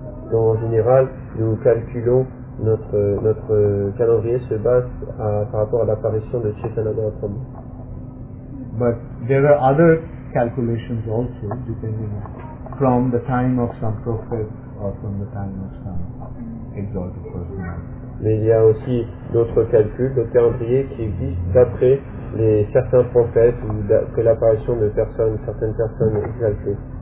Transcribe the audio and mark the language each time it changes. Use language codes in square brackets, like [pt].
[fr] Donc en général, nous calculons notre calendrier se base par rapport à l'apparition de Chaitanya Mahaprabhu. [en] But there are other calculations also depending on from the time of some prophet or from the time of some exalted personality. [fr] Mais il y a aussi d'autres calculs, d'autres calendriers qui existent d'après les certains prophètes ou d'après l'apparition de personnes, certaines personnes exaltées.